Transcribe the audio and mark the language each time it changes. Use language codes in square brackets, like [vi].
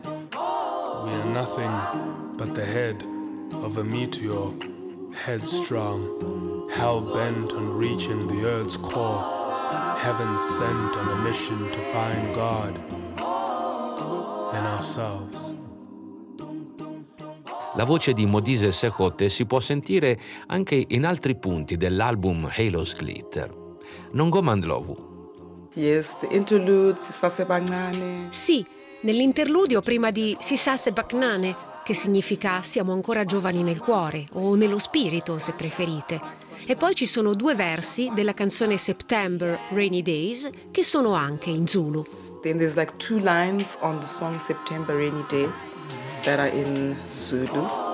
[en] We are nothing but the head of a meteor, headstrong, hell-bent on reaching the earth's core, heaven sent on a mission to find God in ourselves. [it] La voce di Modise Sekgote si può sentire anche in altri punti dell'album Halo's Glitter. Nongoma Ndlovu. [en] Yes, the interlude Sisase Bagnane. [it] Sì, nell'interludio prima di Sisase Bagnane, che significa siamo ancora giovani nel cuore o nello spirito, se preferite. E poi ci sono due versi della canzone September Rainy Days che sono anche in Zulu. [en] Then there's like two lines on the song September Rainy Days that are in Zulu.